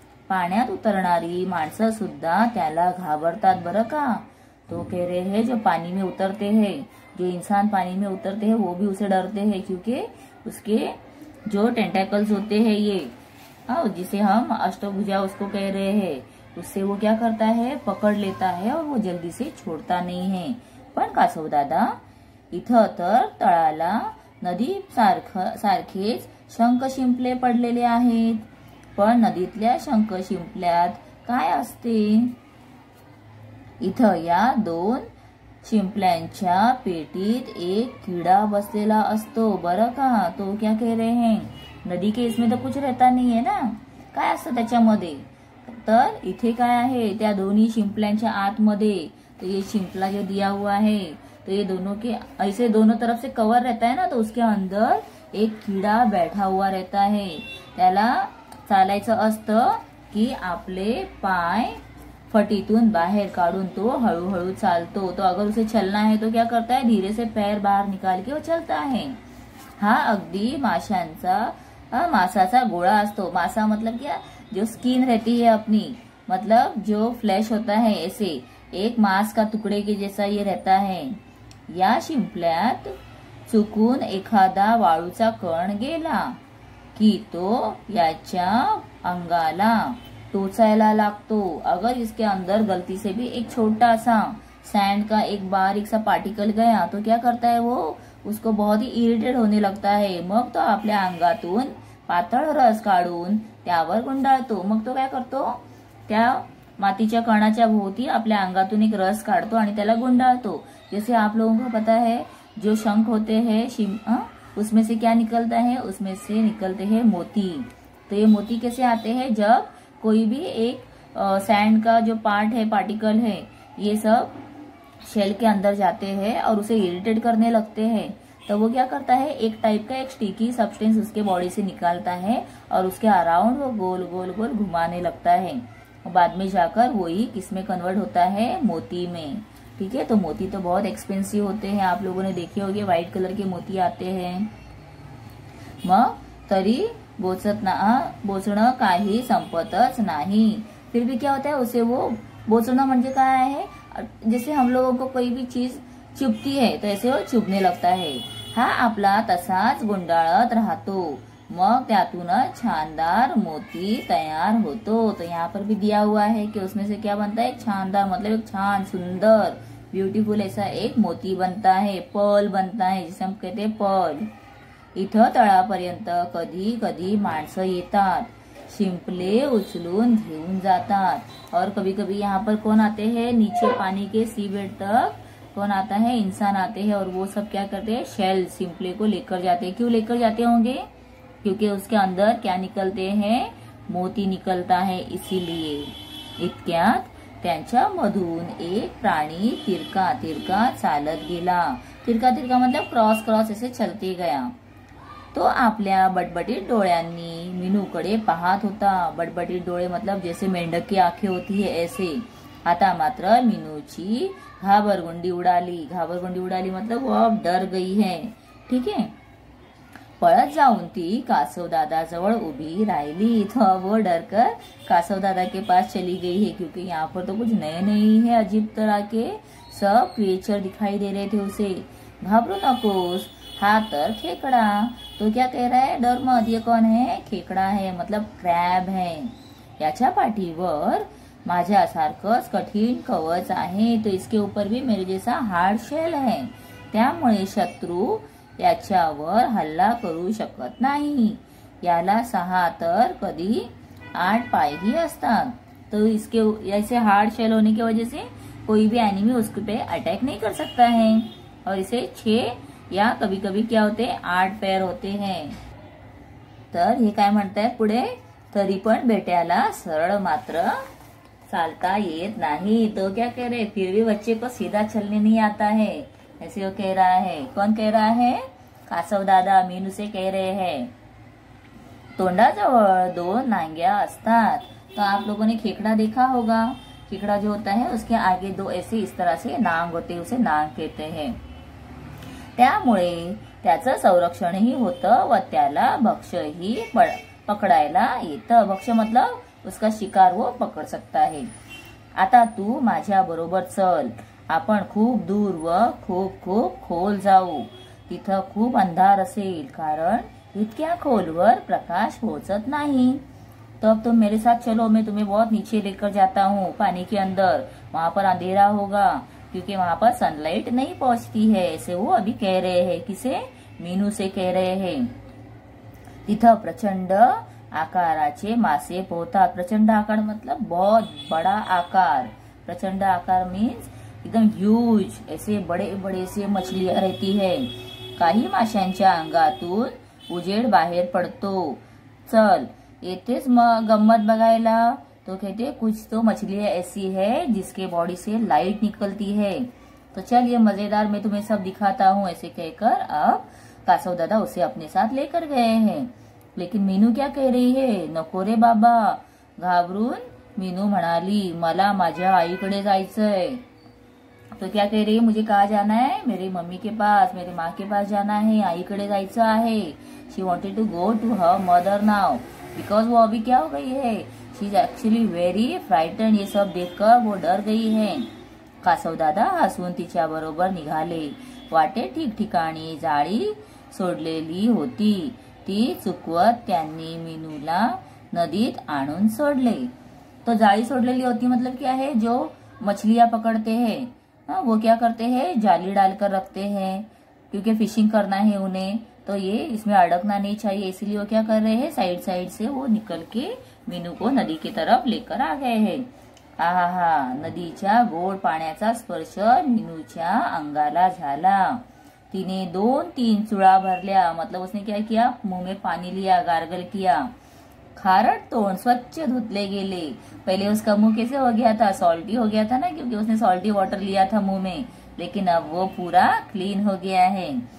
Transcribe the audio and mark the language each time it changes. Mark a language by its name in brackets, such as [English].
[Marathi] पाण्यात उतरणारी माणसं सुद्धा त्याला घाबरतात बरं का, [Hindi] तो कह रहे हैं जो पानी में उतरते हैं, जो इंसान पानी में उतरते हैं वो भी उसे डरते हैं, क्योंकि उसके जो टेंटेकल्स होते हैं ये जिसे हम अष्टभुजा उसको कह रहे हैं, उससे वो क्या करता है, पकड़ लेता है और वो जल्दी से छोड़ता नहीं है। [Marathi] पण कासव दादा, इथ तर तळाला नदी सारखेच शंख शिंपले पडलेले आहेत, पण नदीतल्या शंख शिंपल्यात काय असते? इथ या दोन शिंपल्यांच्या पेटीत एक कीड़ा बसलेला असतो बरं का। [Hindi] तो क्या कह रहे हैं, नदी के इसमें तो कुछ रहता नहीं है ना, [Marathi] काय असतं त्याच्यामध्ये? तर इथे काय आहे, त्या दोन्ही शिंपल्यांच्या आतमध्ये, [Hindi] तो ये शिंपला जो दिया हुआ है, तो ये दोनों के ऐसे दोनों तरफ से कवर रहता है ना, तो उसके अंदर एक कीड़ा बैठा हुआ रहता है, त्याला [Marathi] चालायचं असतं की आपले पाय फटीतून बाहेर काढून तो हळूहळू चालतो। [Hindi] तो अगर उसे चलना है तो क्या करता है, धीरे से पैर बाहर निकाल के वो चलता है। [Marathi] हा अगदी माशांचा मासाचा गोळा असतो। [Hindi] मासा मतलब क्या, जो स्किन रहती है अपनी, मतलब जो फ्लैश होता है ऐसे एक मांस का टुकड़े के जैसा ये रहता है। [Marathi] या शिंपल्यात चुकून एखादा वाळूचा कण गेला की तो याच्या अंगाला टोचायला लागतो। [Hindi] अगर इसके अंदर गलती से भी एक छोटा सा सैंड का एक बारीक सा पार्टिकल गया तो क्या करता है वो, उसको बहुत ही इरिटेट होने लगता है। [Marathi] मग तो आपल्या अंगातून पातळ रस काढून त्यावर गुंडाळतो। मग तो काय करतो, त्या मातीच्या कणाच्या भोवती आपल्या अंगातून एक रस काढतो आणि त्याला गुंडाळतो। [Hindi] जैसे आप लोगों को पता है जो शंख होते है उसमें से क्या निकलता है, उसमें से निकलते हैं मोती। तो ये मोती कैसे आते हैं, जब कोई भी एक सैंड का जो पार्ट है, पार्टिकल है, ये सब शेल के अंदर जाते हैं और उसे इरिटेट करने लगते हैं। तो वो क्या करता है, एक टाइप का एक स्टिकी सब्सटेंस उसके बॉडी से निकालता है और उसके अराउंड वो गोल गोल गोल घुमाने लगता है। बाद में जाकर वही किस में कन्वर्ट होता है, मोती में। ठीक है, तो मोती तो बहुत एक्सपेंसिव होते हैं, आप लोगों ने देखे होंगे व्हाइट कलर के मोती आते हैं। [Marathi] मग तरी बोचण काही संपतच नाही, [Hindi] फिर भी क्या होता है उसे वो [Marathi] बोचण म्हणजे काय आहे, [Hindi] जैसे हम लोगों को कोई भी चीज चुभती है तो ऐसे वो चुभने लगता है। [Marathi] हा आपला तसाच गुंडाळत राहतो, मग त्यातूनच छानदार मोती तयार होतो। [Hindi] तो यहाँ पर भी दिया हुआ है कि उसमें से क्या बनता है, छानदार मतलब एक छान सुंदर ब्यूटीफुल ऐसा एक मोती बनता है, पर्ल बनता है, जिसे हम कहते हैं पर्ल। [Marathi] इथ तळापर्यंत कधी कधी माणसं येतात, शिंपले उचलून घेऊन जातात। [Hindi] और कभी कभी यहाँ पर कौन आते है, नीचे पानी के सी बेड तक कौन आता है, इंसान आते है और वो सब क्या करते है, शेल शिंपले को लेकर जाते है। क्यों लेकर जाते होंगे, क्योंकि उसके अंदर क्या निकलते हैं, मोती निकलता है। [Marathi] इसीलिए इतक्यात त्यांच्या मधून एक प्राणी तिरका तिरका चालत गेला। [Hindi] तिरका तिरका मतलब क्रॉस क्रॉस ऐसे चलते गया। [Marathi] तो आपल्या बटबटीत डोळ्यांनी मीनूकडे पाहत होता। [Hindi] बटबटीत डोळे मतलब जैसे मेंढक की आंखें होती है ऐसे। [Marathi] आता मात्र मीनूची घाबरगुंडी उडाली। [Hindi] घाबरगुंडी उडाली मतलब वो अब डर गई है। [Marathi] ठीक है, पळत जाऊन ती कासव दादा जवळ उभी राहिली। [Hindi] तो वो डर कर कासव दादा के पास चली गई है, क्योंकि यहाँ पर तो कुछ नए नहीं है, अजीब तरह के सब क्रिएचर दिखाई दे रहे थे उसे। [Marathi] घाबरू नकोस, हा तर खेकड़ा। [Hindi] तो क्या कह रहा है, डर मत, ये कौन है, खेकड़ा है मतलब क्रैब है, [Marathi] याच्या पाठीवर माझ्या सारखंच कठिन कवच आहे, [Hindi] तो इसके ऊपर भी मेरे जैसा हार्ड शेल है, [Marathi] त्यामुळे शत्रु याच्यावर हल्ला करू शकत नाही। याला सहा तर कधी आठ पाय ही असतात। [Hindi] तो इसके ऐसे हार्ड शेल होने की वजह से कोई भी एनिमी उस पे अटैक नहीं कर सकता है। और इसे छह या कभी कभी क्या होते हैं, आठ पैर होते हैं। [Marathi] तर हे काय म्हणतात पुढे, तरी पण बेट्याला सरळ मात्र चालता येत नाही। [Hindi] तो क्या कह रहे, फिर भी बच्चे को सीधा चलने नहीं आता है, ऐसे वो कह रहा है। कौन कह रहा है, कासव दादा मीनू से कह रहे हैं। [Marathi] तोंडाजवळ दोन नांग्या असतात। [Hindi] तो आप लोगों ने खेकड़ा देखा होगा, खेकड़ा जो होता है उसके आगे दो ऐसे इस तरह से नांग होते हैं, उसे नांग कहते हैं। [Marathi] त्यामुळे त्याचं संरक्षण ही होतं व त्याला भक्ष ही पकडायला येतं। [Hindi] भक्ष मतलब उसका शिकार वो पकड़ सकता है। [Marathi] आता तू माझ्या बरोबर चल, आपण खूप दूर व खूप खूप खोल जाऊ, तिथं खूप अंधार असेल कारण इतक्या खोलवर प्रकाश पोहोचत नाही। [Hindi] तब तुम मेरे साथ चलो, मैं तुम्हें बहुत नीचे लेकर जाता हूँ पानी के अंदर, वहां पर अंधेरा होगा क्योंकि वहां पर सनलाइट नहीं पहुंचती है, ऐसे वो अभी कह रहे हैं। किसे, मीनू से कह रहे हैं। [Marathi] तिथं प्रचंड आकाराचे मासे पोहतात। [Hindi] प्रचंड आकार मतलब बहुत बड़ा आकार, प्रचंड आकार मीन्स एकदम ह्यूज, ऐसे बड़े बड़े से मछलियां रहती है। [Marathi] काही माशांच्या अंगातून उजेड बाहेर पडतो। चल येतेस गम्मत बघायला, [Hindi] तो कहते कुछ तो मछलियां ऐसी है जिसके बॉडी से लाइट निकलती है, तो चल ये मजेदार मैं तुम्हें सब दिखाता हूँ, ऐसे कहकर अब कासव दादा उसे अपने साथ लेकर गए हैं। लेकिन मीनू क्या कह रही है? [Marathi] नको रे बाबा, घाबरून मीनू म्हणाली, मला माझ्या आईकडे जायचंय। [Hindi] तो क्या कह रही है, मुझे कहाँ जाना है? मेरी मम्मी के पास, मेरी माँ के पास जाना है, [Marathi] आईकडे जायचं आहे। [English] she wanted to go to her mother now because [Hindi] वो अभी क्या हो गई है, [English] she is actually very frightened, [Hindi] ये सब देखकर वो डर गई है। [Marathi] कासव दादा हसून तिच्या बरोबर निघाले, वाटे ठिकठिकाणी जाळी सोडलेली होती, ती चुकवत त्यांनी मीनूला नदीत आणून सोडले। [Hindi] तो [Marathi] जाळी सोडलेली होती [Hindi] मतलब क्या है, जो मछलियां पकड़ते है वो क्या करते हैं, जाली डालकर रखते हैं, क्योंकि फिशिंग करना है उन्हें, तो ये इसमें अड़कना नहीं चाहिए, इसलिए वो क्या कर रहे हैं, साइड साइड से वो निकल के मीनू को नदी की तरफ लेकर आ गए हैं। [Marathi] आहा, नदीच्या गोड पाण्याचा स्पर्श मीनूच्या अंगाला झाला, तिने दोन तीन चुळा भरल्या, [Hindi] मतलब उसने क्या किया, मुंह में पानी लिया, गार्गल किया, [Marathi] खारट तोंड स्वच्छ धुतले गेले। [Hindi] पहले उसका मुंह कैसे हो गया था, सॉल्टी हो गया था ना, क्योंकि उसने सॉल्टी वाटर लिया था मुंह में, लेकिन अब वो पूरा क्लीन हो गया है।